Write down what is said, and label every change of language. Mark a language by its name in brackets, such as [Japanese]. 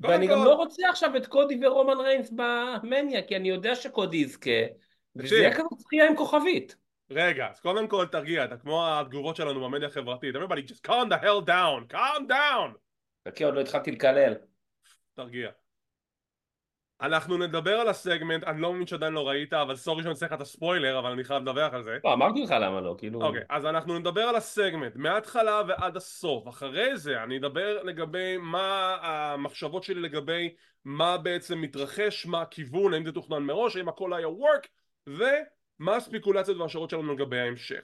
[Hebrew] ואני גם לא רוצה עכשיו את קודי ורומן ריינס במניה, כי אני יודע שקודי יזכה, וזה יהיה כזו זכייה עם כוכבית. רגע, אז קודם כל תרגיע, אתה כמו התגובות שלנו במניה החברתית. [English] Everybody just calm the hell down, calm down! [Hebrew] תקי, עוד לא התחלתי לקלל. תרגיע. אנחנו נדבר על הסגמנט, אני לא מבין שעדיין לא ראית, אבל סורי שאני צריך את הספוילר, אבל אני חייב לדבר על זה. לא, אמרתי לך למה לא, כאילו... אוקיי, אז אנחנו נדבר על הסגמנט, מההתחלה ועד הסוף. אחרי זה, אני אדבר לגבי מה המחשבות שלי לגבי מה בעצם מתרחש, מה הכיוון, האם זה תוכנן מראש, האם הכל היה וורק, ומה הספיקולציות והשערות שלנו לגבי ההמשך.